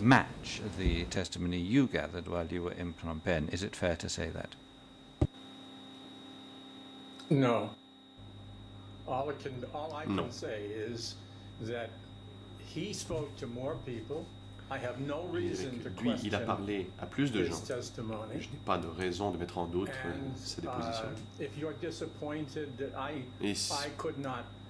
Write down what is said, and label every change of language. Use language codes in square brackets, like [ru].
[en] Match the testimony you gathered while you were in Phnom Penh. Is it fair to say that? No. All I can say is that he spoke to more people. I have no reason to question [fr] il a parlé à plus de gens. Je n'ai pas de raison de mettre en doute sa déposition. [en] If you are disappointed that I could not